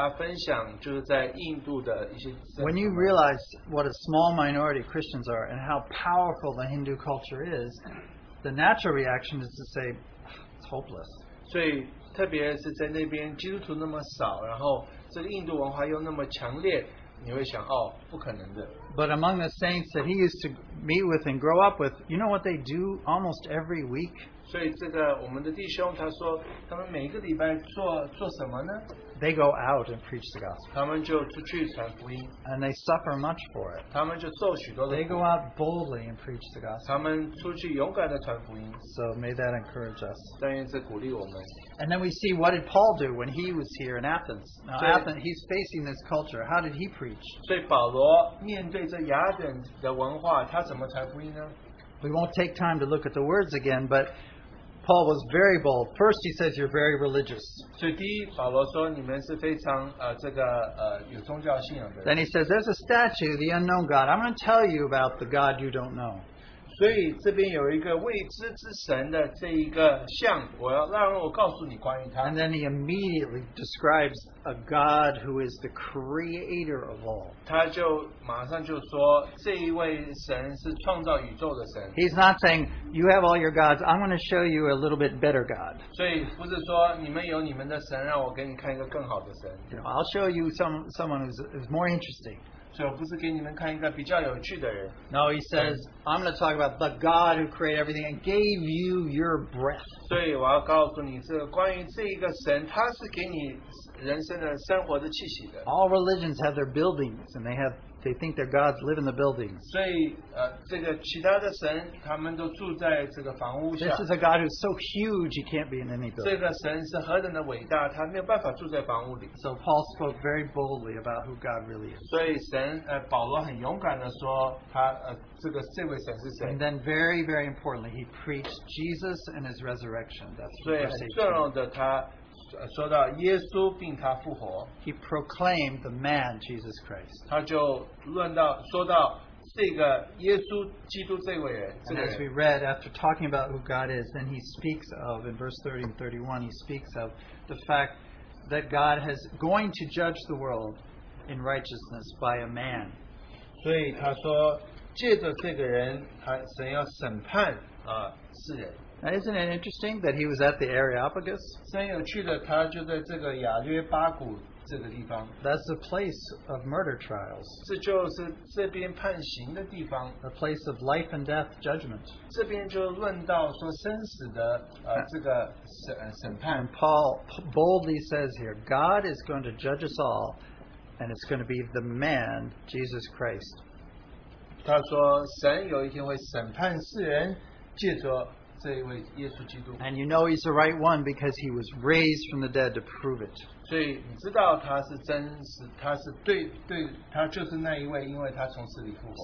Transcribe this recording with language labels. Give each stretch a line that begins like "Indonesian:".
English: When you realize what a small minority Christians are and how powerful the Hindu culture is, the natural reaction is to say, it's hopeless.
Chinese: 所以特别是在那边基督徒那么少，然后这个印度文化又那么强烈。你会想,哦,不可能的。
English: But among the saints that he used to meet with and grow up with, you know what they do almost every week?
Chinese: 所以这个我们的弟兄他说他们每一个礼拜做什么呢?
English: They go out and preach the gospel.
Chinese: 他们就出去传福音。
English: And they suffer much for it.
Chinese: 他们就受许多的。
English: They go out boldly and preach the gospel.
Chinese: 他们出去勇敢的传福音。
English: So may that encourage us.
Chinese: 但愿这鼓励我们。
English: And then we see what did Paul do when he was here in Athens. Now Athens, he's facing this culture. How did he preach?
Chinese: 所以保罗面对着雅典的文化，他怎么传福音呢？
English: We won't take time to look at the words again, but Paul was very bold. First, he says, "You're very religious."
Chinese: 所以第一，保罗说你们是非常有宗教信仰的。
English: Then he says, "There's a statue, the unknown God. I'm going to tell you about the God you don't know."
Chinese: 所以这边有一个未知之神的这一个像，我要让我告诉你关于他。
English: And then he immediately describes a God who is the creator of all.
Chinese: 他就马上就说这一位神是创造宇宙的神。
English: He's not saying you have all your gods. I'm going to show you a little bit better God.
Chinese: 所以不是说你们有你们的神，让我给你看一个更好的神。
English: You know, I'll show you someone who's more interesting.
Chinese: 所以我不是给你们看一个比较有趣的人。
English: No, he says, I'm going to talk about the God who created everything and gave you your breath.
Chinese: 所以我要告诉你是关于这一个神，他是给你人生的生活的气息的。
English: All religions have their buildings and they think their gods live in the buildings.
Chinese: 所以这个其他的神他们都住在这个房屋下。
English: This is a God who's so huge he can't be in any building.
Chinese: 这个神是何等的伟大，他没有办法住在房屋里。
English: So Paul spoke very boldly about who God really is.
Chinese: 所以神保罗很勇敢的说他这位神是谁。
English: And then very, very importantly, he preached Jesus and his resurrection. That's what he said.
Chinese: 所以很重要的他说到耶稣并他复活。
English: He proclaimed the man Jesus Christ.
Chinese: 他就论到说到这个耶稣基督这位人。
English: And as we read after talking about who God is, then he speaks of in verse 30 and 31. He speaks of the fact that God is going to judge the world in righteousness by a man.
Chinese: 所以他说借着这个人，他神要审判世人。
English: Now, isn't it interesting that he was at the Areopagus?
Chinese: 真有趣的，他就在这个亚略巴谷这个地方。
English: That's a place of murder trials.
Chinese: 这就是这边判刑的地方。
English: A place of life and death judgment.
Chinese: 这边就论到说生死的这个审判。
English: And Paul boldly says here, God is going to judge us all, and it's going to be the man, Jesus Christ.
Chinese: 他说神有一天会审判世人，借着这一位耶稣基督。
English: And you know he's the right one because he was raised from the dead to prove it.
Chinese: 所以你知道他是真实，他是对对，他就是那一位，因为他从死里复活。